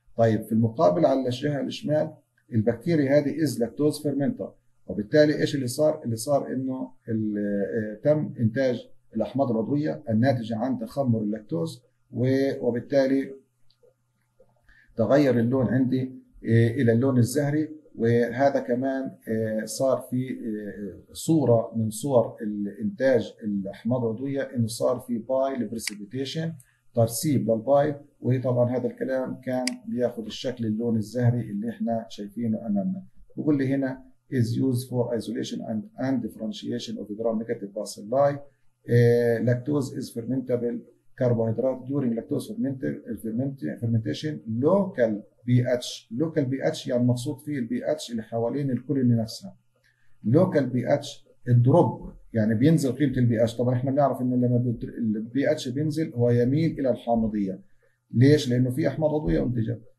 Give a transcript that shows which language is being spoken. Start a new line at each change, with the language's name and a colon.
Arabic: طيب في المقابل على الجهه الشمال البكتيريا هذه
English: is lactose fermenter,
Arabic: وبالتالي ايش اللي صار؟ اللي صار انه تم انتاج الاحماض العضويه الناتجه عن تخمر اللاكتوز، وبالتالي تغير اللون عندي الى اللون الزهري، وهذا كمان صار في صوره من صور انتاج الاحماض العضويه انه صار في باي بريسيبيتيشن، ترسيب للبايض، وهي طبعا هذا الكلام كان بياخذ الشكل اللون الزهري اللي احنا شايفينه امامنا. بقول لي هنا
English: is used for isolation and differentiation of gram negative bacilli. Lactose is fermentable carbohydrate during lactose fermentation.
Arabic: Local pH يعني مقصود فيه pH اللي حوالين الكولوني نفسها. Local pH الدروب يعني بينزل قيمة pH. طبعا احنا بنعرف ان لما pH بينزل هو يميل الى الحامضية. ليش؟ لانه في احماض عضوية انتجة.